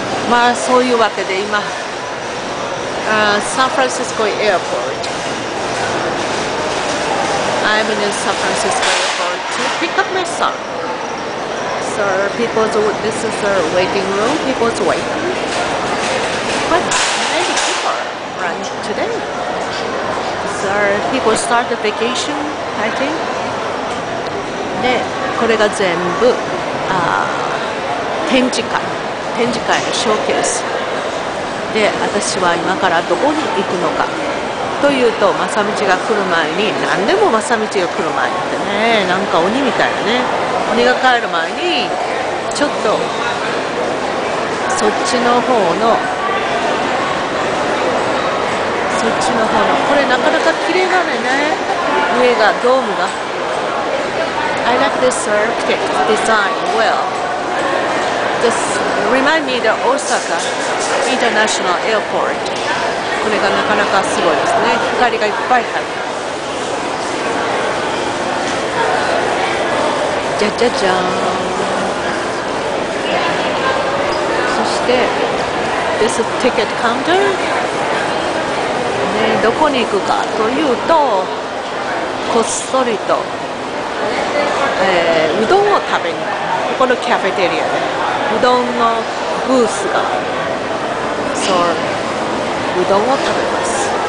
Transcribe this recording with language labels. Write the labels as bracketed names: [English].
[Japanese] まあそういうわけで今、サンフランシスコエアポート。 [English] I'm in San Francisco Airport to pick up my son. Sir, people's, this is a waiting room. People's waiting. But many people arrived today. Sir, people start the vacation, I think. [Japanese] で、これが全部、展示会。展示会のショーケースで、私は今からどこに行くのかというと、正道が来る前に、何でも正道が来る前にってね、なんか鬼みたいなね、鬼が帰る前にちょっとそっちの方の、そっちの方の、これなかなか綺麗だね、上がドームが。 [English] I like this architect's design well. ThisRemind me the Osaka International Airport. [Japanese] これがなかなかすごいですね。光がいっぱい入る。じゃじゃじゃーん。そして、 [English] This is ticket counter. [Japanese] ね、どこに行くかというと、こっそりと、うどんを食べに行く。このキャフェテリアで。うどんのブースがある。そう、うどんを食べます。